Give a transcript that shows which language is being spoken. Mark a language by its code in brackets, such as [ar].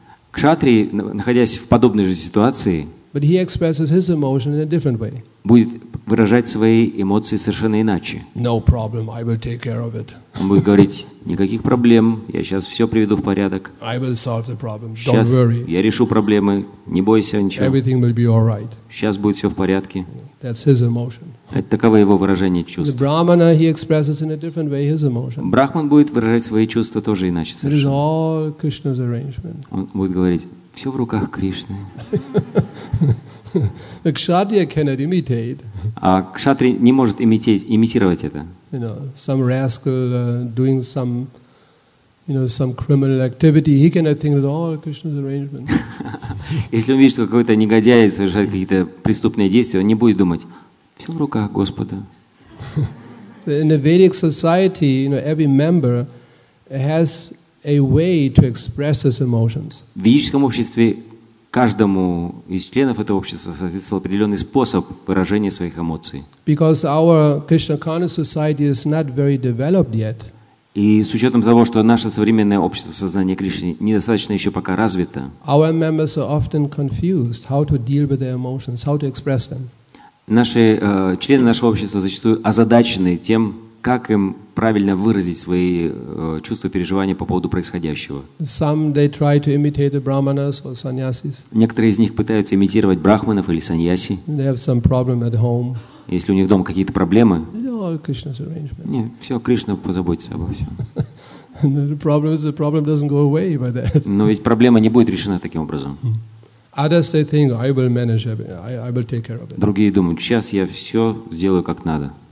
[ru] Кшатрия, находясь в подобной же ситуации, [en] but he expresses his emotion in a different way. [ru] Будет выражать свои эмоции совершенно иначе. [en] No problem, I will take care of it. [ru] Он будет говорить, никаких проблем, я сейчас все приведу в порядок. [en] I will solve the problem. Don't [ru] сейчас [en] worry. [ru] Я решу проблемы, не бойся ничего. [en] Everything will be all right. [ru] Сейчас будет все в порядке. [en] That's his emotion. [ru] Это таково его выражение чувств. [en] The Brahmana, he expresses in a different way his emotion. [ru] Брахман будет выражать свои чувства тоже иначе совершенно. [en] It is all Krishna's arrangement. [ru] Он будет говорить, все в руках Кришны. [en] A kshatriya cannot imitate. [ru] А кшатри не может имитировать это. [en] You know, some rascal doing some, you know, some criminal activity. He cannot think it's all Krishna's arrangement. [ru] Если он видит, что какой-то негодяй совершает какие-то преступные действия, он не будет думать: все в руках Господа. [en] In the Vedic society, you know, every member has a way to express his emotions. [ru] В ведическом обществе каждому из членов этого общества соответствовал определенный способ выражения своих эмоций. [en] Because our Krishna consciousness society is not very developed yet. [ru] И с учетом того, что наше современное общество сознания Кришны недостаточно еще пока развито, [en] our members are often confused how to deal with their emotions, how to express them. [ru] Наши члены нашего общества зачастую озадачены тем, как им правильно выразить свои чувства и переживания по поводу происходящего. [en] Some they try to imitate the brahmanas or sannyasis. [ru] Некоторые из них пытаются имитировать брахманов или саньяси. [en] They have some problem at home. [ru] Если у них дома какие-то проблемы, [en] Krishna's arrangement. [ru] Не, все, Кришна позаботится обо всем. [en] The problem is the problem doesn't go away by that. [ru] Но ведь проблема не будет решена таким образом. [en] Others they think I will manage, I will take care of it. [ru] Другие думают: сейчас я все сделаю как надо.